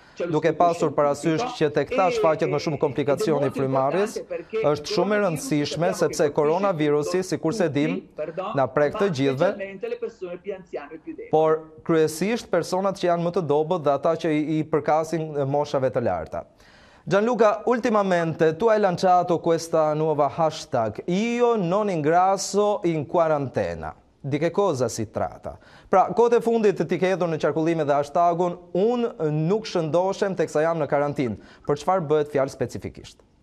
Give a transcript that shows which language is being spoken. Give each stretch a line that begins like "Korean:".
Albanian: Duke pasur parasysh që tek ta shfaqet më shumë komplikacioni frymarrjes, është shumë e rëndësishme sepse koronavirusi, sikurse dim, na prek të gjithëve, por kryesisht personat që janë më të dobët dhe ata që i përkasin moshave të larta.
Italian: Gianluca, ultimamente tu hai lanciato questa nuova hashtag Io non ingrasso in quarantena. Di che cosa si tratta?
Albanian: Pra, kote fundit ti ke hedhur në qarkullim edhe hashtagun Un nuk shëndoshem teksa jam në karantinë. Për çfarë bëhet fjalë specifikisht?